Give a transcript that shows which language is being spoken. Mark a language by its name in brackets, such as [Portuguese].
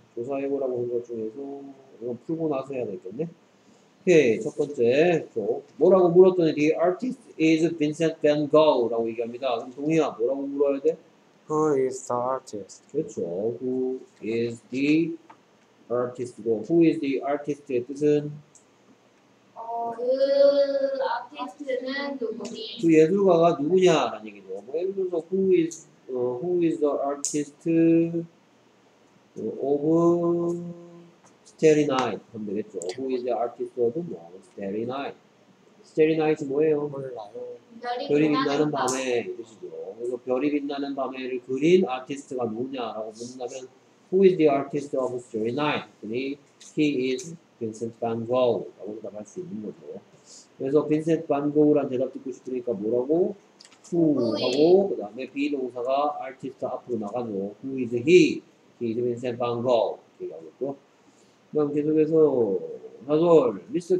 [Korean] 조사해보라고 한 것 중에서, 이건 풀고 나서 해야 되겠네. 오케이. 첫 번째. 저 뭐라고 물었더니, [English] The artist is Vincent Van Gogh [Korean] 라고 얘기합니다. 그럼 동희야, 뭐라고 물어야 돼? [English] Who is the artist? [Korean] 그렇죠. [English] Who is the artist [Korean] 고, [English] who is the artist [Korean] 의 뜻은? 그 아티스트는 누구니? 그 예술가가 누구냐? 라는 얘기죠. 뭐, 예를 들어서, [English] who is the artist of Starry Night? [Korean] 하면 되겠죠. [English] Who is the artist of Starry Night? Starry Night이 [Korean] 뭐예요? 별이 빛나는 밤에. 그래서 별이 빛나는 밤에를 그린 아티스트가 누구냐? 라고 묻는다면, [English] Who is the artist of Starry Night? He is Vincent Van Gogh. [Korean] 라고 대답할 수 있는 거죠. 그래서 Vincent Van Gogh란 대답 듣고 싶으니까 뭐라고? Who 하고, 그 다음에 B 동사가 artist 앞으로 나가죠. [English] Who is he? He is Vincent Van Gogh. [Korean] 얘기하겠고. 그럼 계속해서, 4절. [English] Mr.